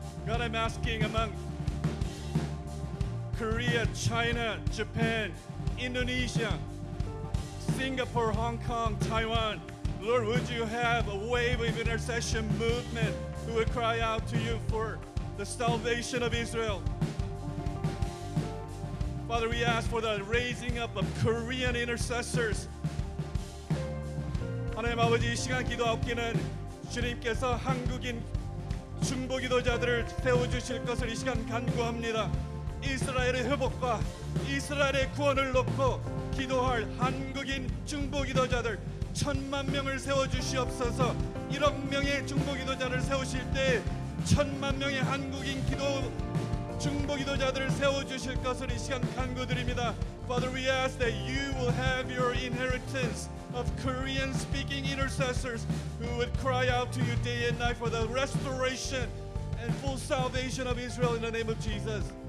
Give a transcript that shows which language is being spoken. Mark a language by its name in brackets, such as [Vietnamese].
[English] God, I'm asking among Korea, China, Japan, Indonesia, Singapore, Hong Kong, Taiwan, Lord, would you have a wave of intercession movement who would cry out to you for the salvation of Israel? Father, we ask for the raising up of Korean intercessors. [Korean] 하나님 아버지, 이 시간 기도하옵기는 주님께서 한국인 중보 기도자들을 세워주실 것을 이 시간 간구합니다. 이스라엘의 회복과 이스라엘의 구원을 놓고 기도할 한국인 중보 기도자들 천만 명을 세워주시옵소서. 1억 명의 중보 기도자를 세우실 때 천만 명의 한국인 기도 중보 기도자들을 세워주실 것을 이 시간 간구드립니다. [English] Father, we ask that you will have your inheritance of Korean speaking intercessors who would cry out to you day and night for the restoration and full salvation of Israel in the name of Jesus.